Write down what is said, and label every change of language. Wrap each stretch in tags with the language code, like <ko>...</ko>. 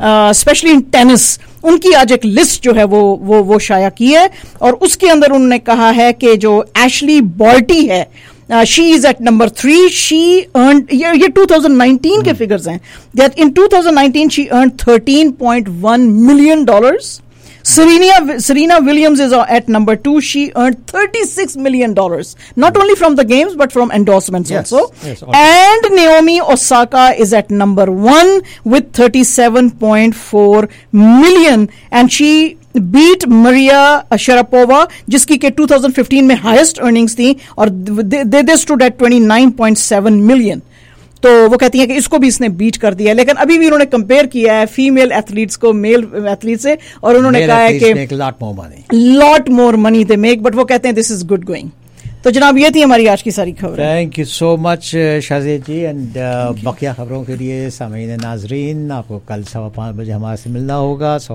<en>especially in tennis,</en> <ur>ان کی آج ایک لسٹ جو ہے وہ شائع کی ہے, اور اس کے اندر انہوں نے کہا ہے کہ جو ایشلی بارٹی ہے</ur> <en>she is at number 3, she earned,</en> <ur>یہ 2019 کے فگرز ہیں,</ur> <en>That in 2019 she earned $13.1 million. Serena Williams is at number 2. She earned $36 million, not only from the games but from endorsements. Yes, also. And Naomi Osaka is at number 1 with $37.4 million, and she beat Maria Sharapova</en> <ur>jiski ke 2015 mein highest earnings thi, aur</ur> <en>they stood at $29.7 million.</en> <ur>تو وہ کہتی ہیں کہ اس کو بھی اس نے bat کر دیا ہے, لیکن ابھی بھی انہوں نے کمپیئر کیا ہے فیمیل ایتھلیٹس کو میل ایتھلیٹ سے, اور انہوں نے کہا ہے کہ</ur> <en>lot more money they make, but</en> <ur>وہ کہتے ہیں</ur> <en>This is good going.</en> <ur>تو جناب یہ تھی ہماری آج کی ساری خبر.</ur> <en>thank you so much</en> <ur>Shazia جی, and بقیہ خبروں کے لیے سامعین ناظرین آپ کو کل 5:15 ہمارے سے ملنا ہوگا.</ur>